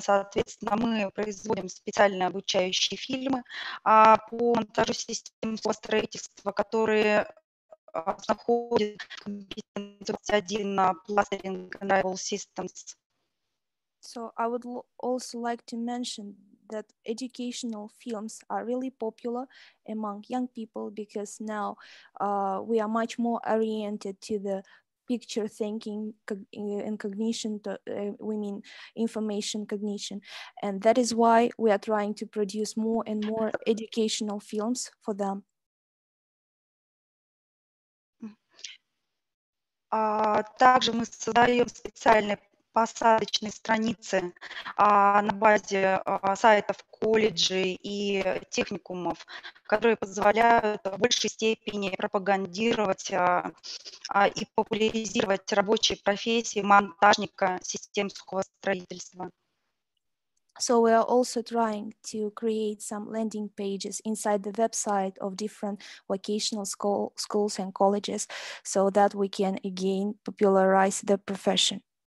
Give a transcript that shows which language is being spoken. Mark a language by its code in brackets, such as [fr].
[ru] Соответственно, мы производим специальные обучающие фильмы по монтажу систем строительства, которые находит компетенции 1 Plastering Drywall Systems. [en] So I would also like to mention that educational films are really popular among young people because now we are much more oriented to the picture thinking and cognition, we mean information cognition. And that is why we are trying to produce more and more educational films for them. [ru] Также мы создаем специальные посадочные страницы на базе сайтов колледжей и техникумов, которые позволяют в большей степени пропагандировать и популяризировать рабочие профессии монтажника систем сухого строительства. [en] So we are also trying to create some landing pages inside the website of different vocational schools and colleges so that we can again popularize the profession.